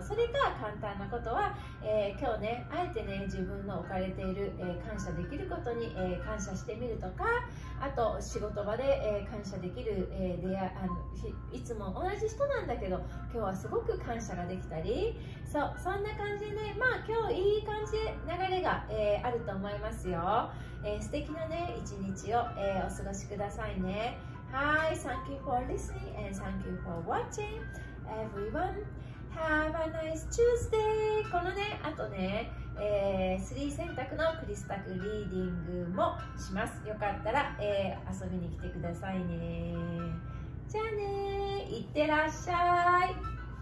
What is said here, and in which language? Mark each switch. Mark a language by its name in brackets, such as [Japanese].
[Japanese] それか簡単なことは、今日ね、あえてね、自分の置かれている、感謝できることに、感謝してみるとか、あと仕事場で、感謝できる、いつも同じ人なんだけど今日はすごく感謝ができたり、そう、そんな感じでね、まあ今日いい感じで流れが、あると思いますよ。素敵なね、一日を、お過ごしくださいね。 [English] Hi, thank you for listening and thank you for watching. Everyone, have a nice Tuesday. [Japanese] このね、あとね、3選択のクリスタクリーディングもします。よかったら、遊びに来てくださいね。じゃあね、いってらっしゃい。